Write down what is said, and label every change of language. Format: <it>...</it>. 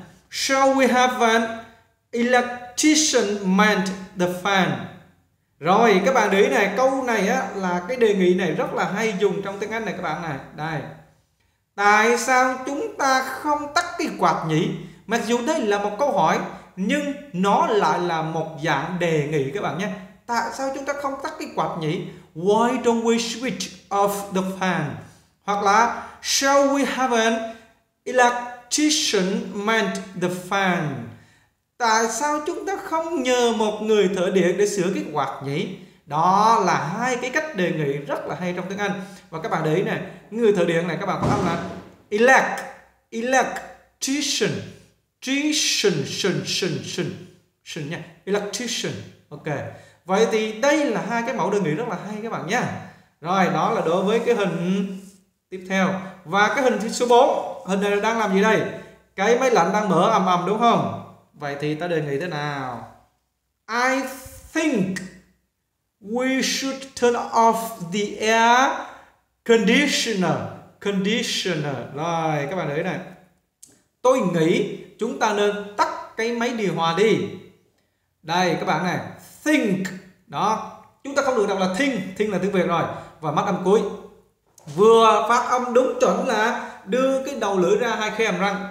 <en>Shall we have an electrician mend the fan?</en> <vi>Rồi các bạn để ý này, câu này á là cái đề nghị này rất là hay dùng trong tiếng Anh này các bạn này. Đây. Tại sao chúng ta không tắt cái quạt nhỉ? Mặc dù đây là một câu hỏi nhưng nó lại là một dạng đề nghị các bạn nhé. Tại sao chúng ta không tắt cái quạt nhỉ?</vi> <en>Why don't we switch off the fan?</en> <vi>Hoặc là</vi> <en>shall we have an electrician mend the fan?</en> <vi>Tại sao chúng ta không nhờ một người thợ điện để sửa cái quạt nhỉ? Đó là hai cái cách đề nghị rất là hay trong tiếng Anh. Và các bạn để ý này, người thợ điện này các bạn có âm là elect, electrician, tuition, tuition tuition nha, electrician. Ok, vậy thì đây là hai cái mẫu đề nghị rất là hay các bạn nha. Rồi đó là đối với cái hình tiếp theo. Và cái hình số 4, hình này đang làm gì đây? Cái máy lạnh đang mở ầm ầm đúng không? Vậy thì ta đề nghị thế nào?</vi> <en>I think we should turn off the air conditioner.</en> <vi>Conditioner. Rồi, các bạn thấy này. Tôi nghĩ chúng ta nên tắt cái máy điều hòa đi. Đây, các bạn này. Think. Đó. Chúng ta không được đọc là think. Think là tiếng Việt rồi. Và mắt âm cuối. Vừa phát âm đúng chuẩn là đưa cái đầu lưỡi ra hai khe hàm răng.</vi>